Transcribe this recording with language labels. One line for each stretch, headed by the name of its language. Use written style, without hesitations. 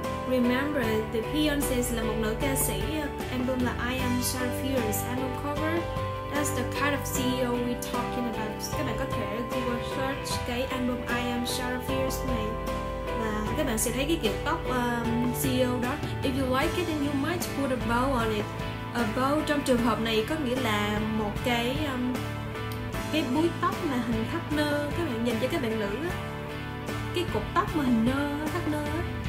English: Remember the
Vietnamese: Beyoncé là một nữ ca sĩ, album là I Am Sapphire's
English: album cover. That's the kind of CEO we talking about.
Vietnamese: Các bạn có thể Google search cái album I Am Sapphire's này và các bạn sẽ thấy cái kiểu tóc CEO đó.
English: If you like it then you might put a bow on it.
Vietnamese: A bow trong trường hợp này có nghĩa là một cái búi tóc mà hình thắt nơ, các bạn nhìn cho các bạn nữ á, cái cục tóc mà hình nơ thắt nơ á.